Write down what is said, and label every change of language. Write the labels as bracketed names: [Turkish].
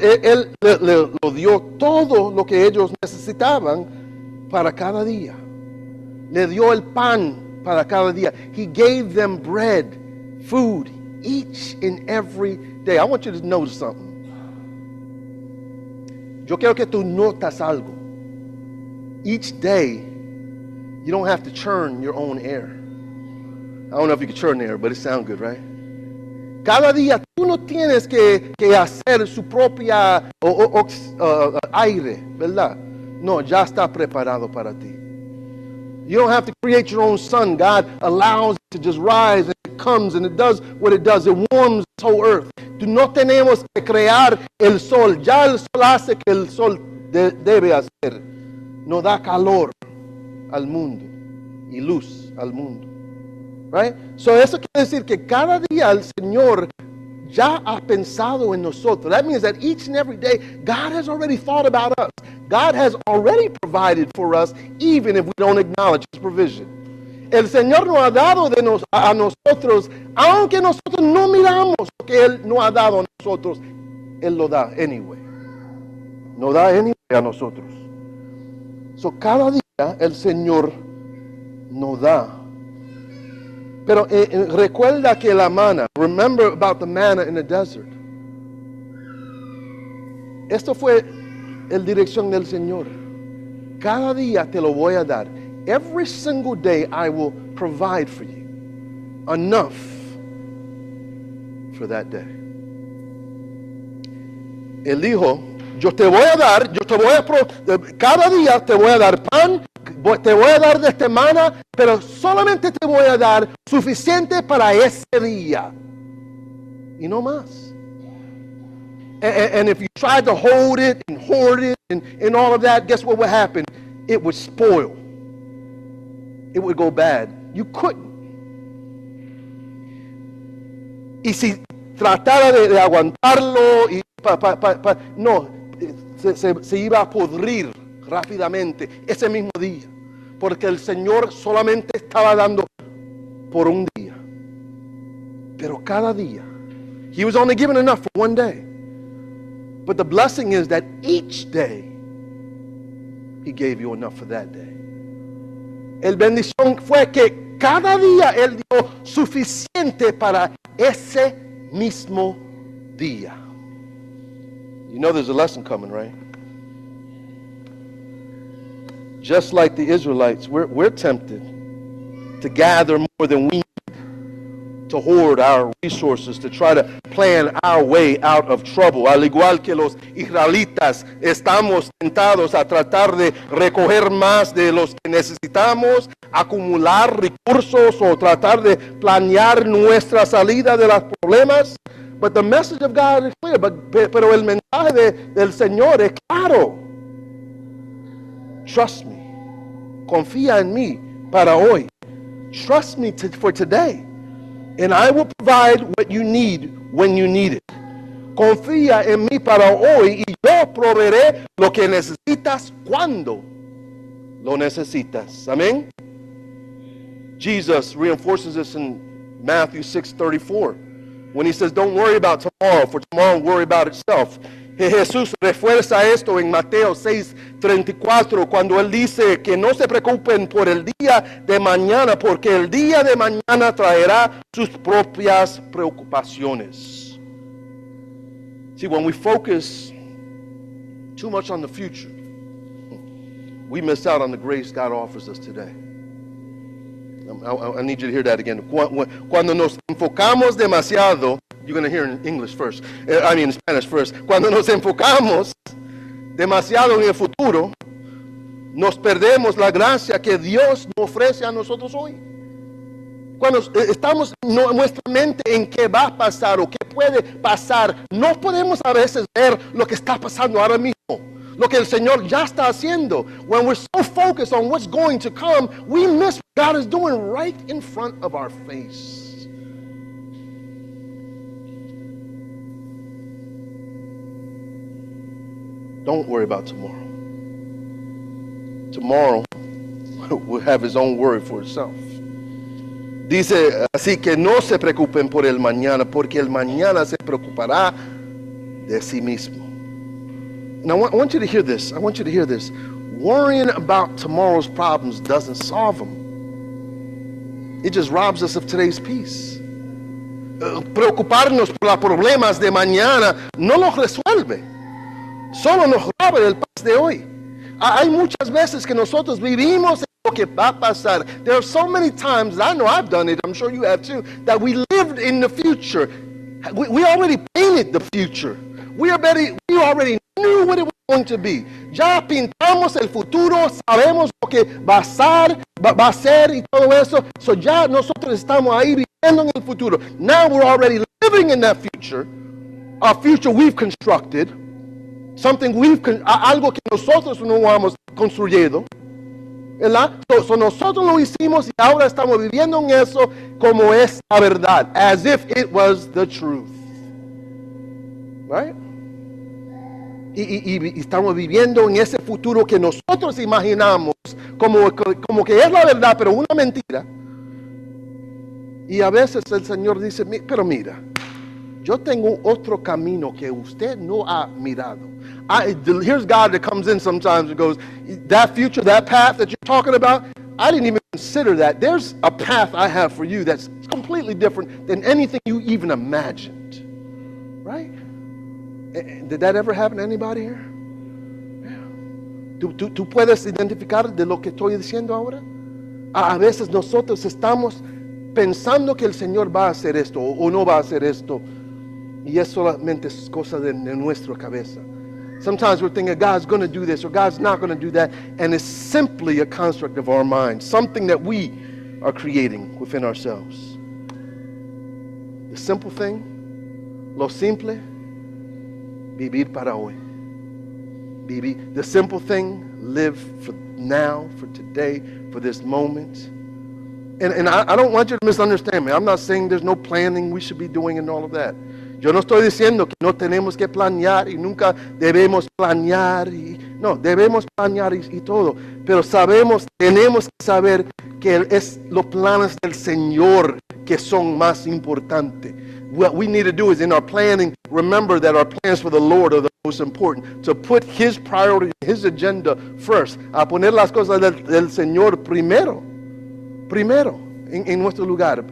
[Spanish] Él le dio todo lo que ellos necesitaban para cada día. Le dio el pan para cada día. [English] He gave them bread, food, each and every day. I want you to notice something. [Spanish] Yo quiero que tú notas algo. [English] Each day, you don't have to churn your own air. I don't know if you can churn air, but it sounds good, right? [Spanish] Cada día, tú no tienes que hacer su propia aire, ¿verdad? No, ya está preparado para ti. [English] You don't have to create your own sun. God allows it to just rise and it comes and it does what it does. It warms the whole earth. [Spanish] No tenemos que crear el sol. Ya el sol hace que el sol debe hacer. No da calor al mundo y luz al mundo. [English] Right? So [Spanish] eso quiere decir que cada día el Señor ya ha pensado en nosotros. [English] That means that each and every day, God has already thought about us. God has already provided for us, even if we don't acknowledge His provision. [Spanish] El Señor nos ha dado a nosotros, aunque nosotros no miramos lo que Él nos ha dado a nosotros, Él lo da [English] anyway. [Spanish] Nos da [English] anyway [Spanish] a nosotros. [English] So [Spanish] cada día el Señor nos da. Pero recuerda que la manna, [English] remember about the manna in the desert. [Spanish] Esto fue la dirección del Señor. Cada día te lo voy a dar. [English] Every single day I will provide for you enough for that day. [Spanish] El hijo, cada día te voy a dar pan, te voy a dar de esta semana, pero solamente te voy a dar suficiente para ese día. Y no más. [English] And if you tried to hold it and hoard it and all of that, guess what would happen? It would spoil. It would go bad. You couldn't. [Spanish] Y si tratara de aguantarlo, y no, se iba a podrir rápidamente ese mismo día. Porque el Señor solamente estaba dando por un día. Pero cada día. [English] He was only given enough for one day. But the blessing is that each day, He gave you enough for that day. [Spanish] El bendición fue que cada día Él dio suficiente para ese mismo día. [English] You know there's a lesson coming, right? Just like the Israelites, we're tempted to gather more than we need, to hoard our resources, to try to plan our way out of trouble. [Spanish] Al igual que los israelitas, estamos tentados a tratar de recoger más de los que necesitamos, acumular recursos o tratar de planear nuestra salida de los problemas. [English] But the message of God is clear. [Spanish] Pero el mensaje del Señor es claro. [English] Trust me. [Spanish] Confía en mí para hoy. [English] Trust me for today. And I will provide what you need when you need it. [Spanish] Confía en mí para hoy y yo proveeré lo que necesitas cuando lo necesitas. [English] Amen. Jesus reinforces this in Matthew 6:34 when he says, don't worry about tomorrow, for tomorrow will worry about itself. [Spanish] Jesús refuerza esto en Mateo 6:34 cuando él dice que no se preocupen por el día de mañana, porque el día de mañana traerá sus propias preocupaciones. [English] See, when we focus too much on the future, we miss out on the grace God offers us today. I need you to hear that again. [Spanish] Cuando nos enfocamos demasiado, [English] you're going to hear in English first. I mean, in Spanish first. [Spanish] Cuando nos enfocamos demasiado en el futuro, nos perdemos la gracia que Dios nos ofrece a nosotros hoy. Cuando estamos nuestra mente en qué va a pasar o qué puede pasar, no podemos a veces ver lo que está pasando ahora mismo. lo que el Señor ya está haciendo. [English] When we're so focused on what's going to come, we miss what God is doing right in front of our face. Don't worry about tomorrow. Tomorrow will have his own worry for itself. [Spanish] Dice, así que no se preocupen por el mañana, porque el mañana se preocupará de sí mismo. [English] Now I want you to hear this. I want you to hear this. Worrying about tomorrow's problems doesn't solve them. It just robs us of today's peace. [Spanish] Preocuparnos por los problemas de mañana no los resuelve. Solo nos roba el paz de hoy. Hay muchas veces que nosotros vivimos en lo que va a pasar. [English] There are so many times, I know I've done it, I'm sure you have too, that we lived in the future. We already painted the future. We already knew what it was going to be. [Spanish] Ya pintamos el futuro, sabemos lo que va a ser y todo eso. [English] So [Spanish] ya nosotros estamos ahí viviendo en el futuro. [English] Now we're already living in that future, a future we've constructed. Something [Spanish] algo que nosotros no hemos construido, ¿verdad? [English] So [Spanish] nosotros lo hicimos y ahora estamos viviendo en eso como es la verdad, [English] as if it was the truth, right? [Spanish] Y estamos viviendo en ese futuro que nosotros imaginamos como que es la verdad, pero una mentira. Y a veces el Señor dice, pero mira, yo tengo otro camino que usted no ha mirado. [English] Here's God that comes in sometimes and goes, that future, that path that you're talking about, I didn't even consider that. There's a path I have for you that's completely different than anything you even imagined. Right? Did that ever happen to anybody here? [Spanish] ¿Tú puedes identificar de lo que estoy diciendo ahora? A veces nosotros estamos pensando que el Señor va a hacer esto o no va a hacer esto. Y es solamente cosa de nuestra cabeza. [English] Sometimes we're thinking God's going to do this or God's not going to do that, and it's simply a construct of our mind, something that we are creating within ourselves. The simple thing, [Spanish] lo simple, vivir para hoy. Vivir. [English] The simple thing, live for now, for today, for this moment. And I don't want you to misunderstand me. I'm not saying there's no planning we should be doing and all of that. [Spanish] Yo no estoy diciendo que no tenemos que planear y nunca debemos planear. No, debemos planear y todo. Pero sabemos, tenemos que saber que es los planes del Señor que son más importantes. [English] What we need to do is in our planning, remember that our plans for the Lord are the most important. To put His priority, His agenda first. [Spanish] A poner las cosas del Señor primero, en nuestro lugar.